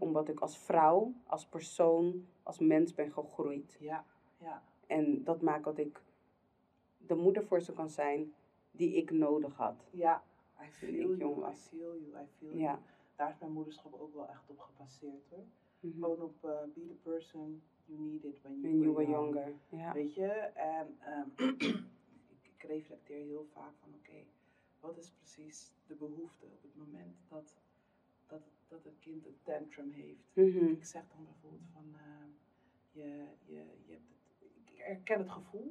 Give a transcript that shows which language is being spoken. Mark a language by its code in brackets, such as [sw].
[nl] Omdat ik als vrouw, als persoon, als mens ben gegroeid. Ja, ja. En dat maakt dat ik de moeder voor ze kan zijn die ik nodig had. Ja, [en] I feel you. [nl] Ja. Daar is mijn moederschap ook wel echt op gebaseerd. Hè? Mm-hmm. Gewoon op [en] be the person you needed when you were younger. Yeah. [nl] Weet je? En ik reflecteer heel vaak van, oké, wat is precies de behoefte op het moment dat een kind een tantrum heeft? Mm-hmm. Ik zeg dan bijvoorbeeld van, je hebt het, ik herken het gevoel.